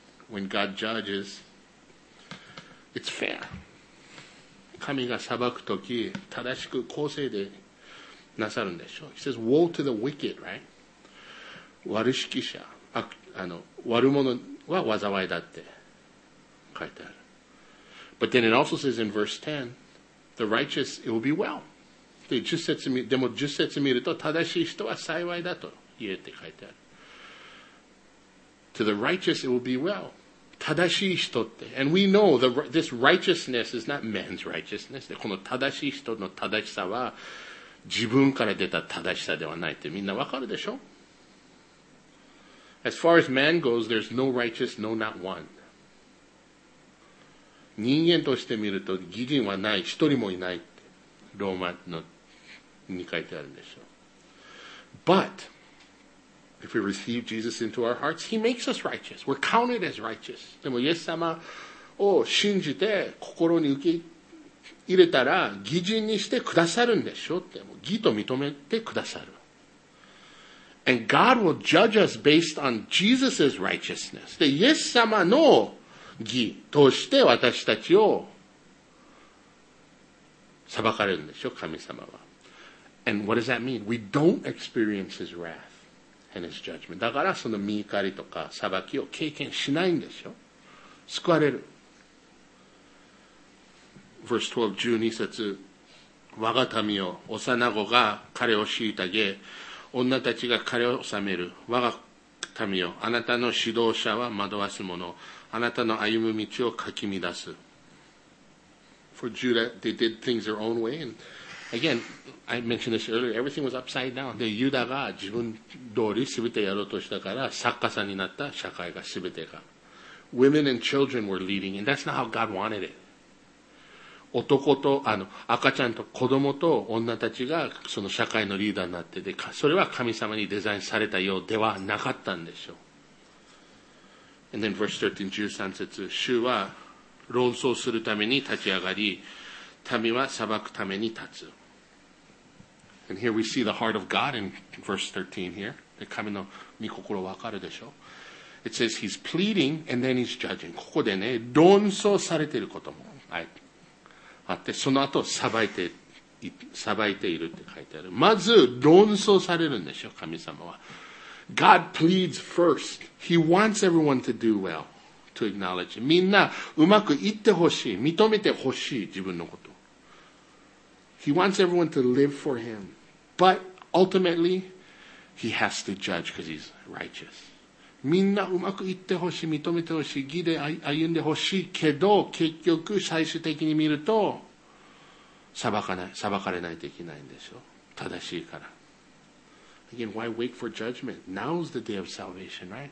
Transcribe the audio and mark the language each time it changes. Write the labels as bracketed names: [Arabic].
[English] When God judges, it's fair. [Japanese] 神が裁くとき、正しく公正でなさるんでしょう。 [English] He says, woe to the wicked, right? [Japanese] 悪しき者、悪者は災いだって書いてある。 [English] But then it also says in verse 10, the righteous, it will be well. [Japanese] でも10節見ると、正しい人は幸いだと言えって書いてある。 [English] To the righteous it will be well. [Japanese] 正しい人って。 [English] And we know this righteousness is not man's righteousness. [Japanese] この正しい人の正しさは自分から出た正しさではないってみんなわかるでしょ? [English] As far as man goes, there's no righteous, no not one. [Japanese] 人間として見ると、義人はない、一人もいないって。ローマのに書いてあるんでしょう。 [English] But if we receive Jesus into our hearts, He makes us righteous. We're counted as righteous. [Japanese] でもイエス様を信じて心に受け入れたら義人にしてくださるんでしょうって。もう義と認めてくださる。 [English] And God will judge us based on Jesus' righteousness. [Japanese] でイエス様の義として私たちを裁かれるんでしょう、神様は。 [English] And what does that mean? We don't experience His wrath and His judgment. [Japanese] だからその御怒りとか裁きを経験しないんですよ。救われる。 [English] Verse 12, [Japanese] 12節。我が民を、幼子が彼を虐げ、女たちが彼を治める。我が民を、あなたの指導者は惑わす者、あなたの歩む道をかき乱す。 [English] For Judah, they did things their own way and Again, I mentioned this earlier, everything was upside down. [Japanese] で、ユダが自分通り全てやろうとしたから、作家さんになった社会が全てが。 [English] Women and children were leading, and that's not how God wanted it. [Japanese] 男と、赤ちゃんと子供と女たちがその社会のリーダーになってて、それは神様にデザインされたようではなかったんでしょう。 [English] And then verse 13, [Japanese] 13節、主は論争するために立ち上がり、民は裁くために立つ。 [English] And here we see the heart of God in verse 13 here. [Japanese] で、神の御心わかるでしょう。 [English] It says he's pleading and then he's judging. [Japanese] ここでね、論争されていることも。はい。あって、その後、裁いているって書いてある。まず、論争されるんでしょ、神様は。 [English] God pleads first. He wants everyone to do well, to acknowledge. [Japanese] みんな、うまくいってほしい。認めてほしい、自分のこと。 [English] He wants everyone to live for him. But, ultimately, he has to judge because he's righteous. [Japanese] みんなうまくいってほしい、認めてほしい、義で歩んでほしいけど、結局最終的に見ると、裁かれないといけないんでしょう。正しいから。 [English] Again, why wait for judgment? Now's the day of salvation, right?